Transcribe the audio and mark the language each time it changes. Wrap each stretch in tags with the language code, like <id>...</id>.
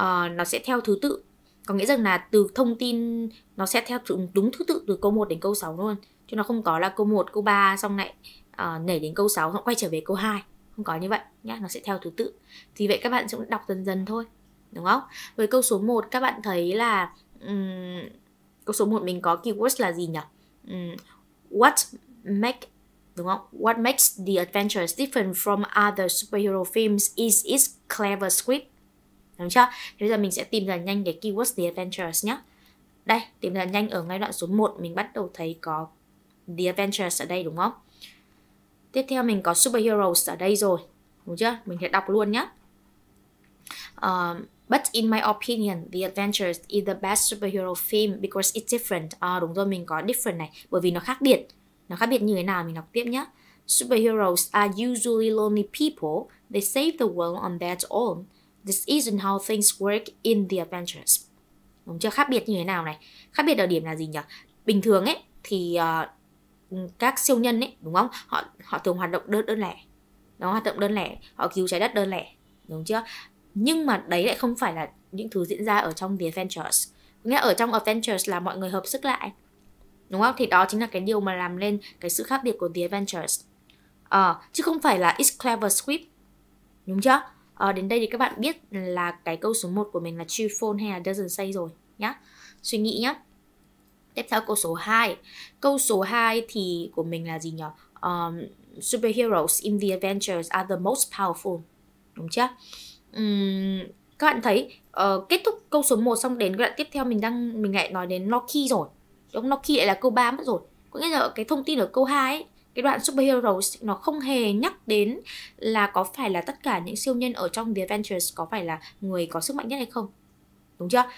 <vi>Nó sẽ theo thứ tự, có nghĩa rằng là từ thông tin nó sẽ theo đúng thứ tự từ câu 1 đến câu 6 luôn, chứ nó không có là câu 1, câu 3 xong lại nhảy đến câu 6 xong quay trở về câu 2, không có như vậy nhá. Nó sẽ theo thứ tự, vì vậy các bạn cũng đọc dần dần thôi, đúng không? Với câu số 1 các bạn thấy là câu số 1 mình có keywords là gì nhỉ?</vi> <en>What makes the adventures different from other superhero films is its clever script.</en> <vi>Đúng chưa? Thế bây giờ mình sẽ tìm ra nhanh cái keywords The Adventures nhé. Đây, tìm ra nhanh ở ngay đoạn số 1 mình bắt đầu thấy có The Adventures ở đây, đúng không? Tiếp theo mình có superheroes ở đây rồi, đúng chưa? Mình sẽ đọc luôn nhé.</vi> <en>But in my opinion, The Adventures is the best superhero film because it's different.</en> <vi>Đúng rồi, mình có different này, bởi vì nó khác biệt. Nó khác biệt như thế nào, mình đọc tiếp nhé.</vi> <en>Superheroes are usually lonely people. They save the world on their own. This isn't how things work in the adventures.</en> <vi>Đúng chưa? Khác biệt như thế nào này? Khác biệt ở điểm là gì nhỉ? Bình thường ấy thì các siêu nhân ấy, đúng không? Họ thường hoạt động đơn lẻ. Nó hoạt động đơn lẻ, họ cứu trái đất đơn lẻ, đúng chưa? Nhưng mà đấy lại không phải là những thứ diễn ra ở trong The Avengers. Nghĩa ở trong Avengers là mọi người hợp sức lại, đúng không? Thì đó chính là cái điều mà làm nên cái sự khác biệt của The Avengers. Chứ không phải là</vi> <en>It's clever script,</en> <vi>đúng chưa? Đến đây thì các bạn biết là cái câu số 1 của mình là true phone hay là</vi> <en>doesn't say</en> <vi>rồi nhá. Suy nghĩ nhá. Tiếp theo câu số 2. Câu số 2 thì của mình là gì nhỉ?</vi> <en>Superheroes in the Avengers are the most powerful.</en> <vi>Đúng chưa? Các bạn thấy kết thúc câu số 1 xong đến cái đoạn tiếp theo mình lại nói đến Loki rồi. Đúng, Loki lại là câu 3 mất rồi. Có nghĩa là cái thông tin ở câu 2 ấy, cái đoạn Superheroes nó không hề nhắc đến là có phải là tất cả những siêu nhân ở trong The Avengers có phải là người có sức mạnh nhất hay không. Đúng chưa?</vi>